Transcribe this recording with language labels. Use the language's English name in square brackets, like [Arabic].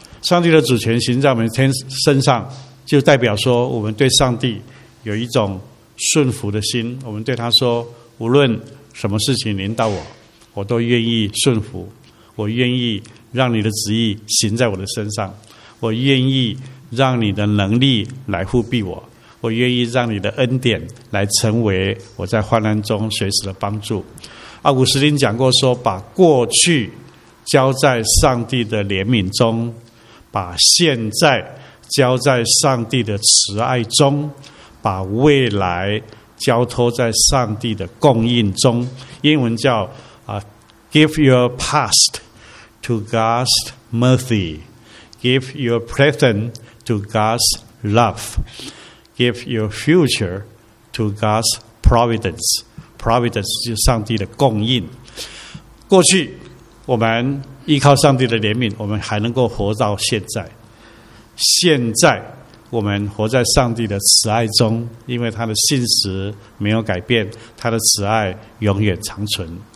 [Chinese] 上帝的主权行在我们身上，就代表说我们对上帝有一种顺服的心，我们对他说，无论什么事情临到我，我都愿意顺服，我愿意让你的旨意行在我的身上，我愿意让你的能力来护庇我，我愿意让你的恩典来成为我在患难中随时的帮助。奥古斯丁讲过说，把过去交在上帝的怜悯中，把现在交在上帝的慈爱中，把未来交托在上帝的供应中。英文叫 [English] Give your past to God's mercy, Give your present to God's love, Give your future to God's providence. [Chinese] Providence 就是上帝的供应。过去我们依靠上帝的怜悯，我们还能够活到现在，现在我们活在上帝的慈爱中，因为他的信实没有改变，他的慈爱永远长存。